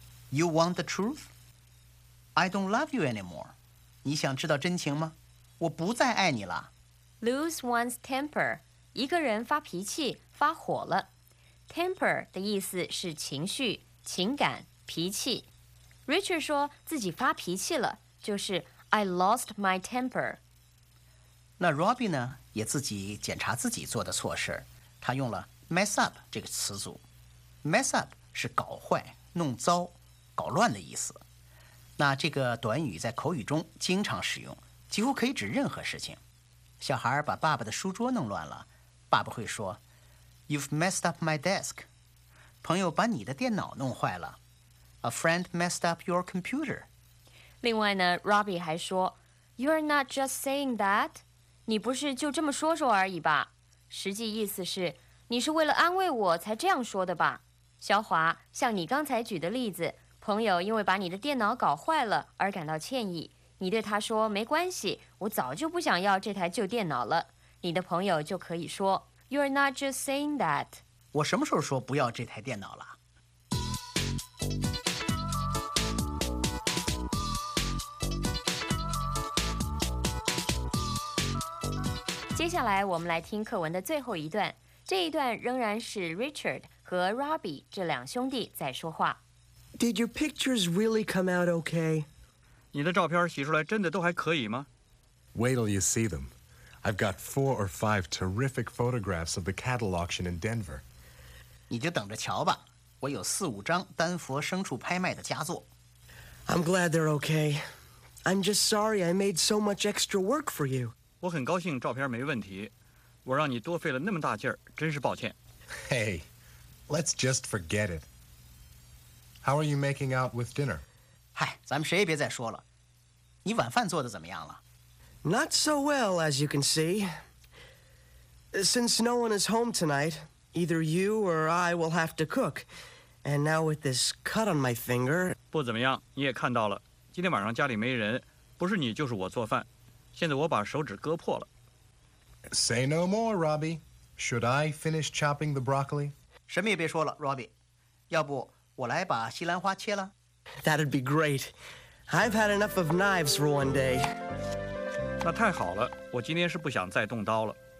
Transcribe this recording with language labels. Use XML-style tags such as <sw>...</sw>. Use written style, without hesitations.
<en>You want the truth? I don't love you anymore.</en> <zh>你想知道真情吗？我不再爱你了。</zh> <en>Lose one's temper.</en> <zh>一个人发脾气，发火了。 Temper 的意思是情绪、情感、脾气。 Richard 说自己发脾气了，就是</zh> <en>I lost my temper.</en> <zh>那 Robbie 呢，也自己检查自己做的错事，他用了 mess up 这个词组。 Mess up 是搞坏、弄糟、搞乱的意思。那这个短语在口语中经常使用，几乎可以指任何事情。小孩把爸爸的书桌弄乱了，爸爸会说</zh> <en>You've messed up my desk.</en> <zh>朋友把你的电脑弄坏了，</zh> <en>A friend messed up your computer.</en> <zh>另外呢， Robbie 还说</zh> <en>You're not just saying that.</en> <zh>你不是就这么说说而已吧？实际意思是你是为了安慰我才这样说的吧。小华，像你刚才举的例子，朋友因为把你的电脑搞坏了而感到歉意，你对他说没关系，我早就不想要这台旧电脑了，你的朋友就可以说</zh> <en>You're not just saying that.</en> <zh>我什么时候说不要这台电脑了？接下来我们来听课文的最后一段，这一段仍然是 Richard 和 Robbie 这两兄弟在说话。</zh> <en>Did your pictures really come out okay?</en> <zh>你的照片洗出来真的都还可以吗？</zh> <en>Wait till you see them. I've got 4 or 5 terrific photographs of the cattle auction in Denver.</en> <zh>你就等着瞧吧，我有4-5张丹佛牲畜拍卖的佳作。</zh> <en>I'm glad they're okay. I'm just sorry I made so much extra work for you.</en> <zh>我很高兴照片没问题，我让你多费了那么大劲儿，真是抱歉。</zh> <en>Hey, let's just forget it. How are you making out with dinner?</en> <zh>嗨，咱们谁也别再说了。你晚饭做得怎么样了？</zh> <en>Not so well, as you can see. Since no one is home tonight, either you or I will have to cook. And now with this cut on my finger...</en> <zh>不怎么样，你也看到了，今天晚上家里没人，不是你就是我做饭。现在我把手指割破了。</zh> <en>Say no more, Robbie. Should I finish chopping the broccoli?</en> <zh>什么也别说了 ，Robbie. 要不我来把西兰花切了</zh> <en>？That'd be great. I've had enough of knives for one day.</en> <zh>那太好了，我今天是不想再动刀了。</zh>